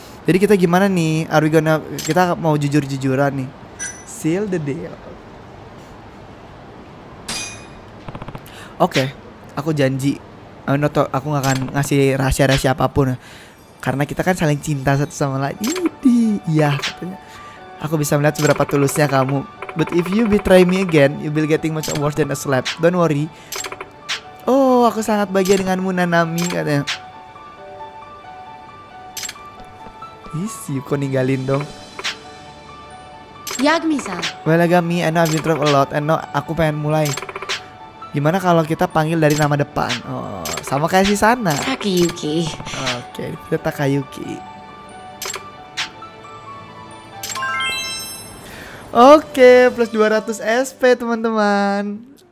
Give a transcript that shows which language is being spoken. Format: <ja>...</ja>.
<id>Jadi kita gimana nih?</id> <en>Are we gonna...</en> <id>Kita mau jujur-jujuran nih.</id> <en>Seal the deal.</en> <id>Oke, okay, aku janji. Aku gak akan ngasih rahasia-rahasia apapun. Karena kita kan saling cinta satu sama lain. Iya, katanya. Aku bisa melihat seberapa tulusnya kamu.</id> <en>But if you betray me again, you will getting much worse than a slap. Don't worry.</en> <id>Oh, aku sangat bahagia denganmu, Nanami, katanya. Is, Yuko ninggalin dong. Yagami-san.</id> <en>Well, Agami, I know I've been through a lot, and no,</en> <id>aku pengen mulai. Gimana kalau kita panggil dari nama depan? Oh, sama kayak si sana. Takayuki. Oke, kita Takayuki. Oke, plus 200 SP, teman-teman.</id>